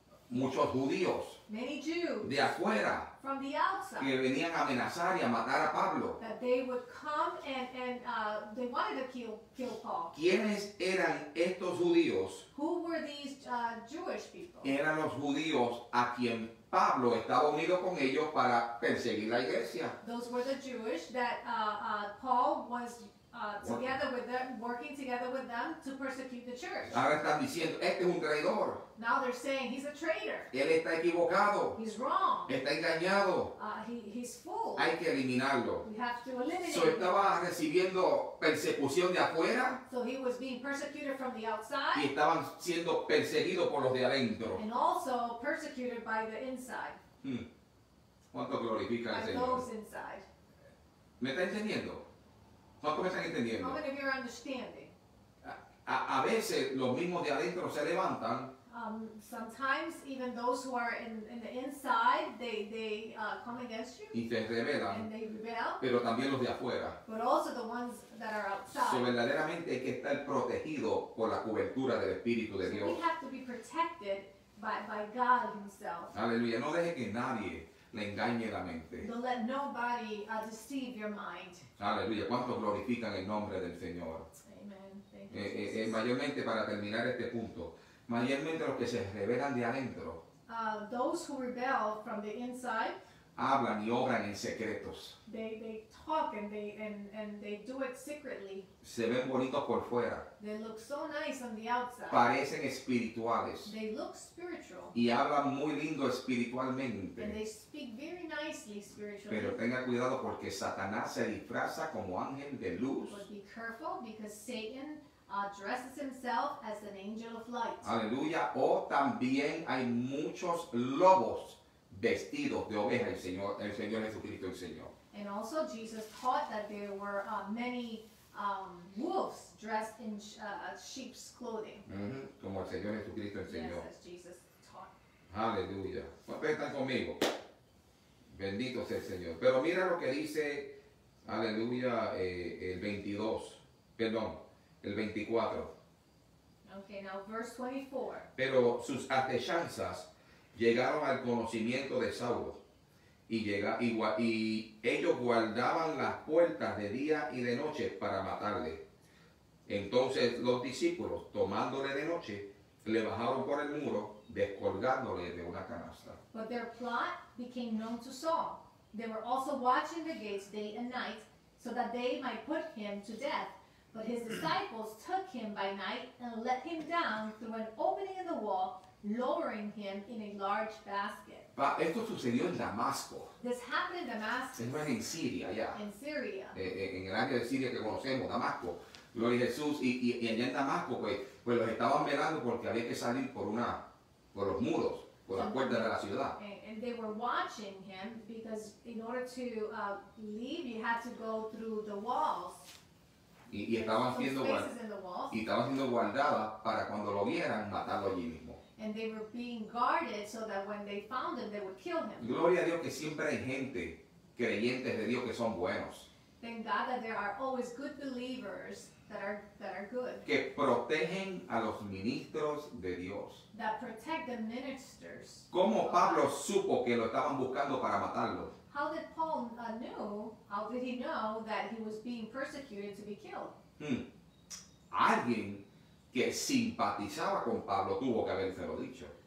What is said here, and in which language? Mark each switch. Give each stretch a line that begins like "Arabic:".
Spanish: muchos judíos.
English: Many Jews.
Spanish: De afuera.
English: From the outside.
Spanish: Que venían a amenazar y a matar a Pablo.
English: That they would come they wanted to kill Paul.
Spanish: ¿Quiénes eran estos judíos?
English: Who were these Jewish people?
Spanish: Eran los judíos a quien Pablo estaba unido con ellos para perseguir la iglesia.
English: Those were the Jewish that Paul was together with them, working together with them to persecute the church.
Spanish: Ahora están diciendo, este es un traidor.
English: Now they're saying he's a traitor.
Spanish: Él está equivocado.
English: He's wrong.
Spanish: Está engañado.
English: He's fooled.
Spanish: Hay que eliminarlo.
English: We have to eliminate
Spanish: him. Estaba recibiendo persecución de afuera.
English: So he was being persecuted from the outside.
Spanish: Y estaban siendo perseguidos por los de adentro.
English: And also persecuted by the inside.
Spanish: ¿Cuánto glorifica el Señor?
English: Those inside.
Spanish: ¿Me está entendiendo? ¿Cuánto me están entendiendo?
English: How many of you are understanding?
Spanish: A veces los mismos de adentro se levantan.
English: Sometimes even those who are in the inside, they come against you.
Spanish: Y se rebelan.
English: And they rebel.
Spanish: Pero también los de afuera.
English: But also the ones that are outside.
Spanish: So verdaderamente hay que estar protegido por la cobertura del Espíritu de Dios.
English: We have to be protected by God himself.
Spanish: Aleluya. No deje que nadie le engañe la mente.
English: Don't let nobody deceive your mind.
Spanish: Aleluya. ¿Cuántos glorifican el nombre del Señor?
English: Amen. Thank you,
Spanish: mayormente para terminar este punto. Mayormente los que se rebelan de adentro.
English: Those who rebel from the inside.
Spanish: Hablan y obran en secretos.
English: They talk and they do it secretly.
Spanish: Se ven bonitos por fuera.
English: They look so nice on the outside.
Spanish: Parecen espirituales.
English: They look spiritual.
Spanish: Y hablan muy lindo espiritualmente.
English: And they speak very nicely spiritually.
Spanish: Pero tenga cuidado porque Satanás se disfraza como ángel de luz.
English: But be careful because Satan dresses himself as an angel of light.
Spanish: Aleluya. O también hay muchos lobos vestidos de oveja, el Señor Jesucristo el Señor.
English: And also Jesus taught that there were many wolves dressed in sheep's clothing.
Spanish: Como el Señor Jesucristo el Señor.
English: Yes, as Jesus taught.
Spanish: Aleluya. ¿Cuántos están conmigo? Bendito sea el Señor. Pero mira lo que dice, aleluya, el 22, perdón, el 24.
English: Okay, now verse 24.
Spanish: Pero sus acechanzas llegaron al conocimiento de Saulo, y ellos guardaban las puertas de día y de noche para matarle. Entonces los discípulos, tomándole de noche, le bajaron por el muro, descolgándole de una canasta.
English: But their plot became known to Saul. They were also watching the gates day and night, so that they might put him to death. But his disciples took him by night and let him down through an opening in the wall, lowering him in a large basket.
Spanish: Esto sucedió en Damasco.
English: This happened in Damascus.
Spanish: Esto es en Siria, ya.
English: In Syria.
Spanish: En el área de Siria que conocemos, Damasco. Gloria a Jesús. Y allá en Damasco, pues los estaban velando porque había que salir por los muros, por las puertas de la ciudad.
English: And they were watching him because in order to leave, you had to go through the walls.
Spanish: Y estaban siendo guardadas para cuando lo vieran, matarlo allí mismo.
English: And they were being guarded so that when they found him, they would kill him.
Spanish: Gloria a Dios que siempre hay gente, creyentes de Dios que son buenos.
English: Thank God that there are always good believers that are good.
Spanish: Que protegen a los ministros de Dios.
English: That protect the ministers.
Spanish: ¿Cómo Pablo supo que lo estaban buscando para matarlo?
English: How did Paul know that he was being persecuted to be killed?
Spanish: Alguien que simpatizaba con Pablo tuvo que habérselo dicho.